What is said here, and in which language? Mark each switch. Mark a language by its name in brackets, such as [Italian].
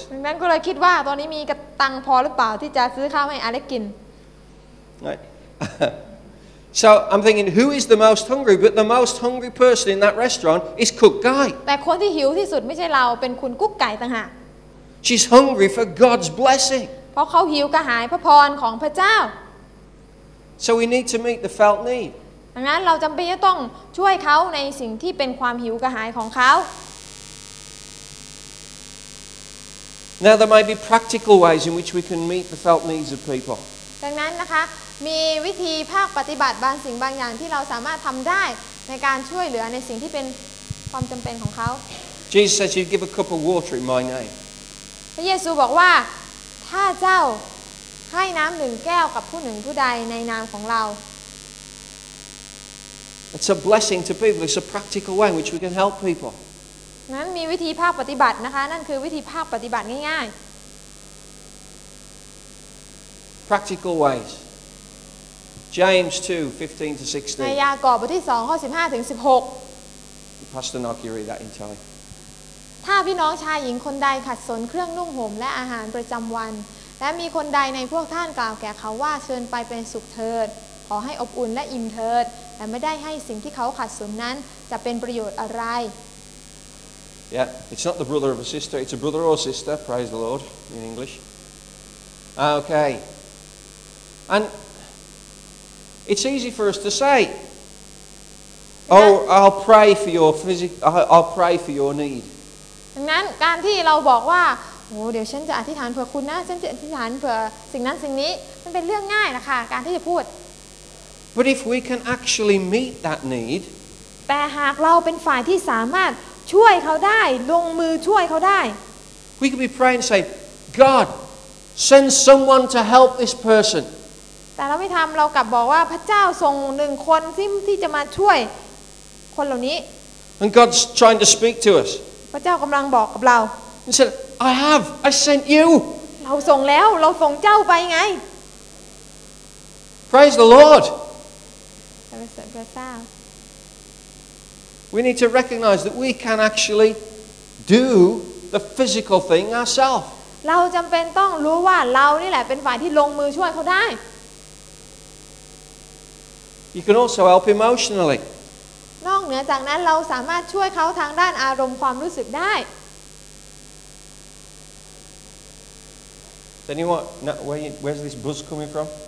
[Thai] ดังนั้นก็เลยคิดว่าตอนนี้มีกระตังพอหรือเปล่าที่จะซื้อข้าวให้อเล็กกิน [English] Right. So I'm thinking, who is the most hungry? But the most hungry person in that restaurant is Cook Guy. [Thai] แต่คนที่หิวที่สุดไม่ใช่เราเป็นคุณกุ๊กไก่ต่างหาก [English] She's hungry for God's blessing. [Thai] เพราะเขาหิวกระหายพระพรของพระเจ้า [English] So we need to meet the felt need. [Thai] ดังนั้นเราจำเป็นจะต้องช่วยเขาในสิ่งที่เป็นความหิวกระหายของเขา [English] Now there might be practical ways in which we can meet the felt needs of people. [Thai] ดังนั้นนะคะมีวิธีภาคปฏิบัติบางสิ่งบางอย่างที่เราสามารถทำได้ในการช่วยเหลือในสิ่งที่เป็นความจำเป็นของเขา [English] Jesus says you give a cup of water in my name. [Thai] พระเยซูบอกว่าถ้าเจ้าให้น้ำหนึ่งแก้วกับผู้หนึ่งผู้ใดในนามของเรา [English] It's a blessing to people. It's a practical way in which we can help people. [Thai] นั้นมีวิธีภาคปฏิบัตินะคะนั่นคือวิธีภาคปฏิบัติง่าย [English] ๆ Practical ways. James 2:15-16. [Thai] ในยากอบบทที่2ข้อ15ถึง16 [English] Pastor Nock, you read that in Thai. [Thai] ถ้าพี่น้องชายหญิงคนใดขัดสนเครื่องนุ่งห่มและอาหารประจำวันและมีคนใดในพวกท่านกล่าวแก่เขาว่าเชิญไปเป็นสุขเถิดขอให้อบอุ่นและอิ่มเถิดแต่ไม่ได้ให้สิ่งที่เขาขัดสนนั้นจะเป็นประโยชน์อะไร [English] Yeah, it's not the brother of a sister, it's a brother or sister, praise the Lord, in English. Okay. And it's easy for us to say, Oh, I'll pray for your need. [Thai] ดังนั้นการที่เราบอกว่าโอ้เดี๋ยวฉันจะอธิษฐานเผื่อคุณนะฉันจะอธิษฐานเผื่อสิ่งนั้นสิ่งนี้มันเป็นเรื่องง่ายนะคะการที่จะพูด [English] But if we can actually meet that need, [Thai] แต่หากเราเป็นฝ่ายที่สามารถช่วยเขาได้ลงมือช่วยเขาได้ [English] we can be praying and say, God, send someone to help this person. [Thai] แต่เราไม่ทำเรากลับบอกว่าพระเจ้าส่งหนึ่งคนที่จะมาช่วยคนเหล่านี้ [English] And God's trying to speak to us. [Thai] พระเจ้ากำลังบอกกับเรา [English] He said, I have. I sent you. [Thai] เราส่งแล้วเราส่งเจ้าไปไง [English] Praise the Lord. Out. We need to recognize that we can actually do the physical thing ourselves. [Thai] เราจำเป็นต้องรู้ว่าเรานี่แหละเป็นฝ่ายที่ลงมือช่วยเขาได้ [English] You can also help emotionally. [Thai] นอกเหนือจากนั้นเราสามารถช่วยเขาทางด้านอารมณ์ความรู้สึกได้ [English] anyone, where's this bus coming from?